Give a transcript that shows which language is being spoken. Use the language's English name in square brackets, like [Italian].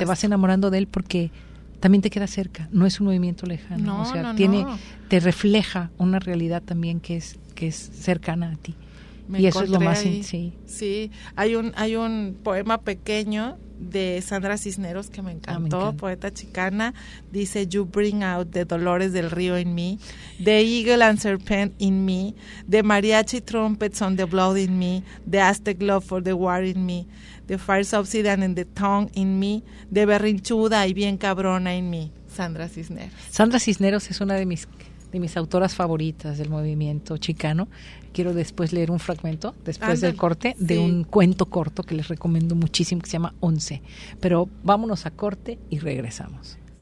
[Spanish] Te vas enamorando de él porque también te queda cerca, no es un movimiento lejano. No, o sea, no, tiene, no. Te refleja una realidad también que es cercana a ti. Me y eso es lo más, sí. Sí, hay un poema pequeño de Sandra Cisneros que me encantó, poeta chicana. [English] Dice: "You bring out the dolores del río in me, the eagle and serpent in me, the mariachi trumpets on the blood in me, the Aztec love for the war in me, the fire obsidian and the tongue in me, the berrinchuda [Spanish] y bien cabrona [English] in me." [Spanish] Sandra Cisneros. Sandra Cisneros es una de mis autoras favoritas del movimiento chicano. Quiero después leer un fragmento, después del corte, sí, de un cuento corto que les recomiendo muchísimo, que se llama 11. Pero vámonos a corte y regresamos.